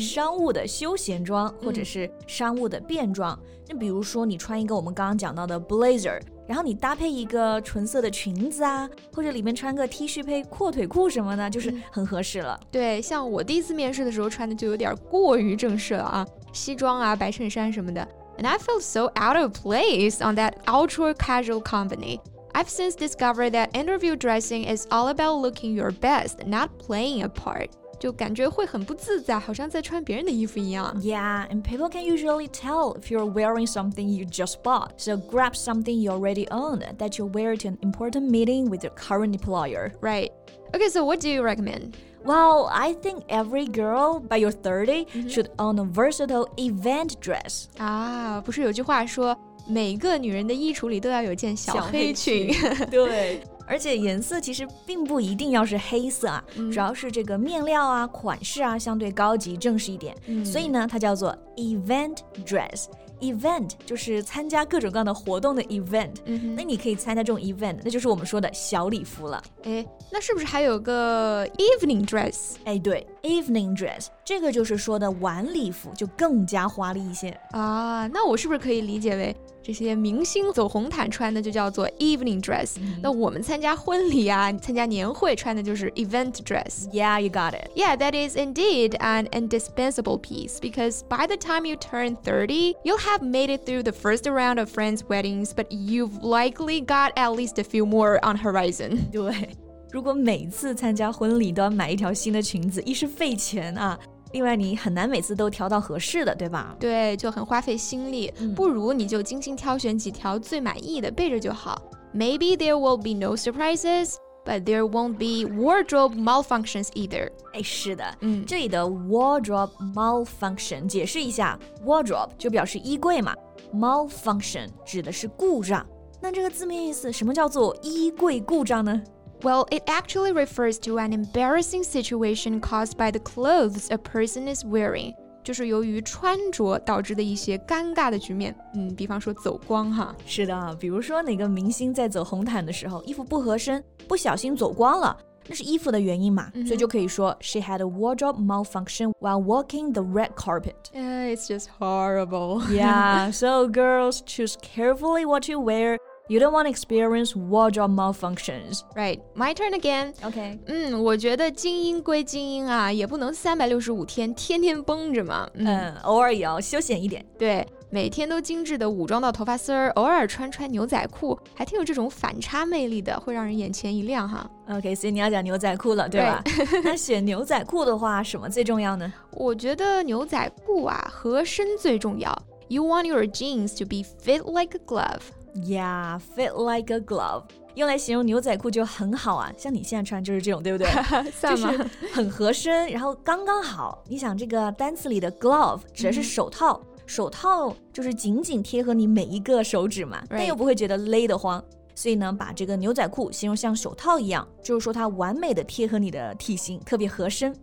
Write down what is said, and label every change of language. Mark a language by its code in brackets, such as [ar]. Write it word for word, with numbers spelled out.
[zh] 商务的休闲装或者是商务的便装。那、嗯、比如说你穿一个我们刚刚讲到的 blazer， 然后你搭配一个纯色的裙子啊，或者里面穿个 T 恤配阔腿裤什么的，就是很合适了。对，像我第一次面试的时候穿的就有点过于正式了啊，西装啊、白衬衫什么的。 [en] And I felt so out of place on that ultra casual company. I've since discovered that interview dressing is all about looking your best, not playing a part. [zh] 就感觉会很不自在，好像在穿别人的衣服一样。 [en] Yeah, and people can usually tell if you're wearing something you just bought. So grab something you already own that you'll wear to an important meeting with your current employer. Right. Okay, so what do you recommend? Well, I think every girl by your thirty、mm-hmm. should own a versatile event dress. [zh] 啊，不是有句话说每个女人的衣橱里都要有件小黑裙。对，而且颜色其实并不一定要是黑色啊，嗯、主要是这个面料啊、款式啊相对高级正式一点、嗯。所以呢，它叫做 event dress。Event 就是参加各种各样的活动的 event、嗯、那你可以参加这种 event， 那就是我们说的小礼服了。诶，那是不是还有个 evening dress？诶，对， evening dress 这个就是说的晚礼服，就更加华丽一些啊。那我是不是可以理解为这些明星走红毯穿的就叫做 evening dress、嗯、那我们参加婚礼啊、参加年会穿的就是 event dress。 [en] Yeah, you got it. Yeah, that is indeed an indispensable piece, because by the time you turn thirty, you'll have have made it through the first round of friends' weddings, but you've likely got at least a few more on horizon. [zh] 对，如果每次参加婚礼都要买一条新的裙子，一是费钱啊，另外你很难每次都挑到合适的，对吧？对，就很花费心力、嗯、不如你就精心挑选几条最满意的备着就好。 [en] Maybe there will be no surprises, but there won't be wardrobe malfunctions either. [zh] 哎，是的，嗯，这里的 wardrobe malfunction 解释一下， wardrobe 就表示衣柜嘛， malfunction 指的是故障。那这个字面意思，什么叫做衣柜故障呢？ [en] Well, it actually refers to an embarrassing situation caused by the clothes a person is wearing. [zh] 就是由于穿着导致的一些尴尬的局面，嗯，比方说走光哈。是的，比如说哪个明星在走红毯的时候，衣服不合身，不小心走光了，那是衣服的原因嘛，所以就可以说 [en] She had a wardrobe malfunction while walking the red carpet. Yeah, it's just horrible. Yeah, so girls, choose carefully what you wear. You don't want to experience wardrobe malfunctions. Right, my turn again. Okay. [zh] 嗯，我觉得精英归精英啊，也不能三百六十五天天天绷着嘛。嗯，嗯偶尔也要休闲一点。对。每天都精致的武装到头发丝儿，偶尔穿穿牛仔裤，还挺有这种反差魅力的，会让人眼前一亮哈。 OK， 所以你要讲牛仔裤了，对吧？那选牛仔裤的话，什么最重要呢？我觉得牛仔裤啊，合身最重要。 [en] You want your jeans to be fit like a glove. Yeah, fit like a glove. [zh] 用来形容牛仔裤就很好啊，像你现在穿就是这种，对不对？就是很合身，然后刚刚好。你想这个单词里的 glove 指的是手套。嗯手套就是紧紧贴合你每一个手指嘛， [en] right. [zh] 但又不会觉得勒得慌，所以呢，把这个牛仔裤形容像手套一样，就是说它完美的贴合你的体型，特别合身。